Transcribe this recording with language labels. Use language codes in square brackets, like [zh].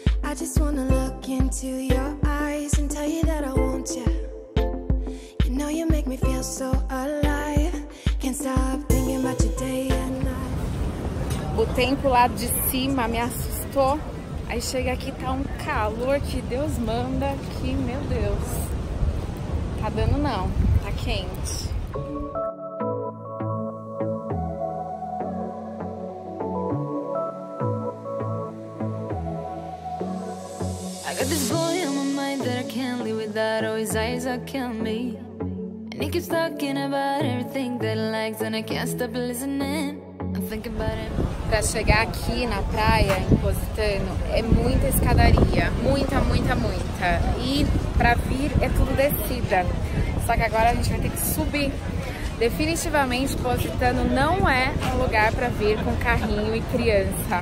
[en] I just wanna look into your eyes and tell you that I want you. You know you make me feel so alive. Can't stop thinking about you day and night. [pt] O tempo lá de cima me assustou. Aí chega aqui, tá um calor que Deus manda, que meu Deus. Tá dando não, tá quente. [en] This boy on my mind that I can't live without. that always eyes are killing me. And he keeps talking about everything that he likes and I can't stop listening. [pt] Pra chegar aqui na praia, em Positano, é muita escadaria. Muita, muita, muita. E pra vir é tudo descida. Só que agora a gente vai ter que subir. Definitivamente, Positano não é um lugar pra vir com carrinho e criança.